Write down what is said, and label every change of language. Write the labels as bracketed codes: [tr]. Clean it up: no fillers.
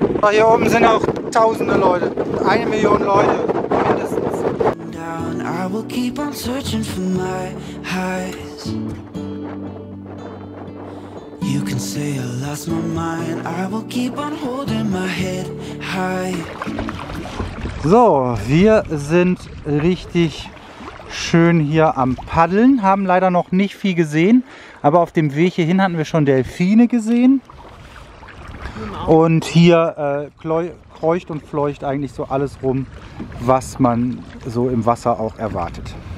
[de] hier oben sind auch tausende Leute, 1 Million Leute mindestens. [en] lost my mind. I will keep on holding my head high. [de] So, wir sind richtig schön hier am Paddeln, haben leider noch nicht viel gesehen, aber auf dem Weg hierhin hatten wir schon Delfine gesehen. Und hier kreucht und fleucht eigentlich so alles rum, was man so im Wasser auch erwartet.